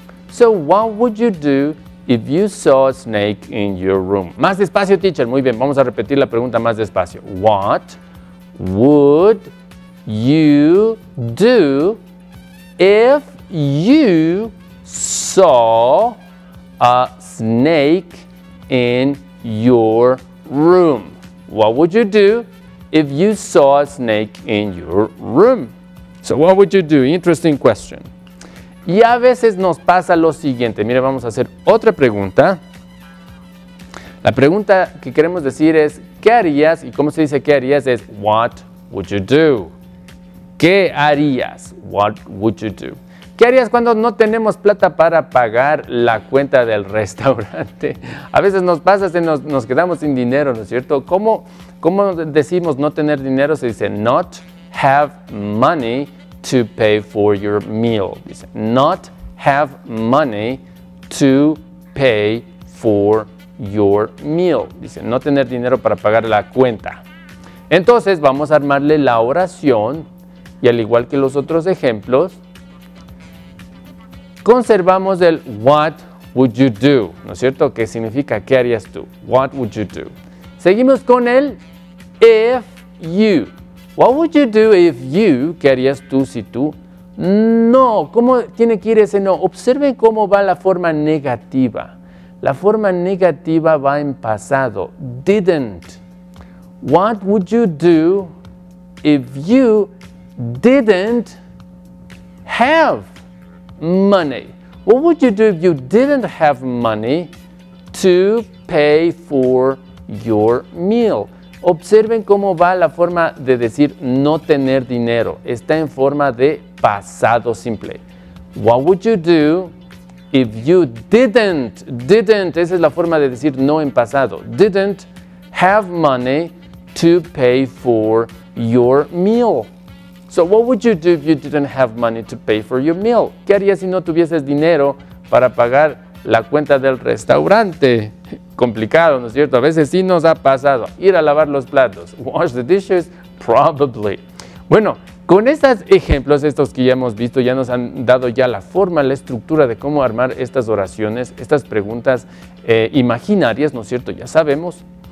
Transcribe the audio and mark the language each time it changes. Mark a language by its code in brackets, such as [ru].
[en] So, what would you do if you saw a snake in your room? [es] Más despacio, teacher. Muy bien, vamos a repetir la pregunta más despacio. [en] What would you do if you saw a snake in your room? What would you do if you saw a snake in your room? So, what would you do? Interesting question. [es] Y a veces nos pasa lo siguiente. Mira, vamos a hacer otra pregunta. La pregunta que queremos decir es, ¿qué harías? Y cómo se dice qué harías es, [en] what would you do? [es] ¿Qué harías? [en] What would you do? [es] ¿Qué harías cuando no tenemos plata para pagar la cuenta del restaurante? A veces nos pasa, nos quedamos sin dinero, ¿no es cierto? ¿Cómo decimos no tener dinero? Se dice, [en] not have money to pay for your meal. Dice, not have money to pay for your meal. [es] Dice, no tener dinero para pagar la cuenta. Entonces, vamos a armarle la oración y al igual que los otros ejemplos, conservamos el [en] what would you do, [es] ¿no es cierto? Que significa, ¿qué harías tú? [en] What would you do? [es] Seguimos con el if you. [en] What would you do if you, [es] ¿qué harías tú si tú? No, ¿cómo tiene que ir ese no? Observen cómo va la forma negativa. La forma negativa va en pasado. Didn't. [en] What would you do if you didn't have money? What would you do if you didn't have money to pay for your meal? [es] Observen cómo va la forma de decir no tener dinero. Está en forma de pasado simple. [en] What would you do if you didn't, [es] esa es la forma de decir no en pasado, [en] didn't have money to pay for your meal? So what would you do if you didn't have money to pay for your meal? [es] ¿Qué harías si no tuvieses dinero para pagar la cuenta del restaurante? Complicado, ¿no es cierto? A veces sí nos ha pasado. Ir a lavar los platos. [en] Wash the dishes, probably. [es] Bueno, con estos ejemplos, estos que ya hemos visto, ya nos han dado ya la forma, la estructura de cómo armar estas oraciones, estas preguntas imaginarias, ¿no es cierto? Ya sabemos.